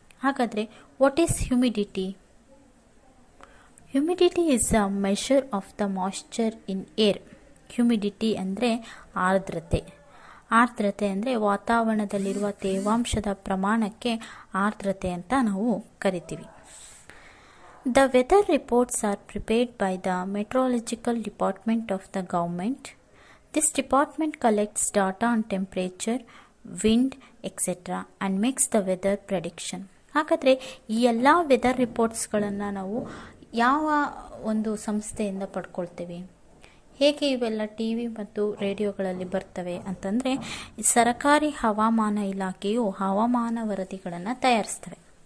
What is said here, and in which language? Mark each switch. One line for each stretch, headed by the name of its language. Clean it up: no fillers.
English: ಹಾಗಾದರೆ what is humidity? Humidity is a measure of the moisture in air.
Kannada: Humidity ಅಂದರೆ ಆರ್ದ್ರತೆ. ಆರ್ದ್ರತೆ ಅಂದರೆ ವಾತಾವರಣದಲ್ಲಿರುವ ತೇವಾಂಶದ ಪ್ರಮಾಣಕ್ಕೆ ಆರ್ದ್ರತೆ ಅಂತ ನಾವು ಕರಿತೀವಿ.
English: The weather reports are prepared by the meteorological department of the government. This department collects data on temperature, wind, etc. and makes the weather prediction.
Kannada: ಹಾಗಾದರೆ ಈ ಎಲ್ಲ ವೆದರ್ ರಿಪೋರ್ಟ್ಸ್ಗಳನ್ನು ನಾವು ಯಾವ ಒಂದು ಸಂಸ್ಥೆಯಿಂದ ಪಡ್ಕೊಳ್ತೇವೆ? ಹೇಗೆ ಇವೆಲ್ಲ ಟಿವಿ ಮತ್ತು ರೇಡಿಯೋಗಳಲ್ಲಿ ಬರ್ತವೆ ಅಂತಂದರೆ, ಸರಕಾರಿ ಹವಾಮಾನ ಇಲಾಖೆಯು ಹವಾಮಾನ ವರದಿಗಳನ್ನು ತಯಾರಿಸ್ತವೆ.